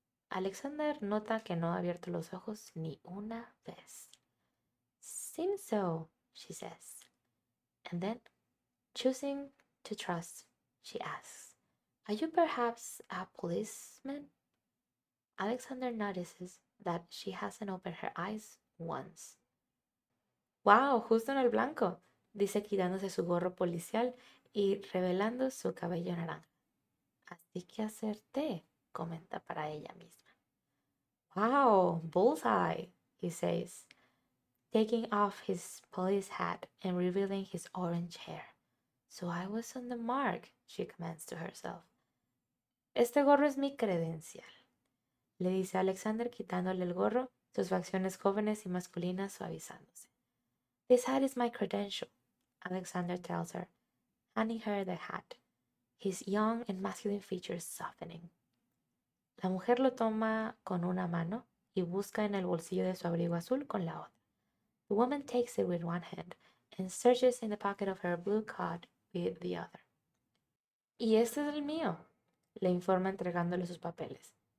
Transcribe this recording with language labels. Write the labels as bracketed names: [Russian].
[Spanish] Alexander nota que no ha abierto los ojos ni una vez. [English] Seems so, she says. And then, choosing to trust, she asks, are you perhaps a policeman? Alexander notices that she hasn't opened her eyes once. [Spanish] Wow, justo en el blanco, dice quitándose su gorro policial y revelando su cabello naranja. Así que acerté, comenta para ella misma. [English] Wow, bullseye, he says, taking off his police hat and revealing his orange hair. So I was on the mark, she comments to herself. [Spanish] Este gorro es mi credencial, le dice Alexander quitándole el gorro, sus facciones jóvenes y masculinas suavizándose. [English] This hat is my credential, Alexander tells her, handing her the hat, his young and masculine features softening. [Spanish] La mujer lo toma con una mano y busca en el bolsillo de su abrigo azul con la otra. [English] The woman takes it with one hand and searches in the pocket of her blue coat with the other. [Spanish] Y este es el mío, le informa entregándole sus papeles.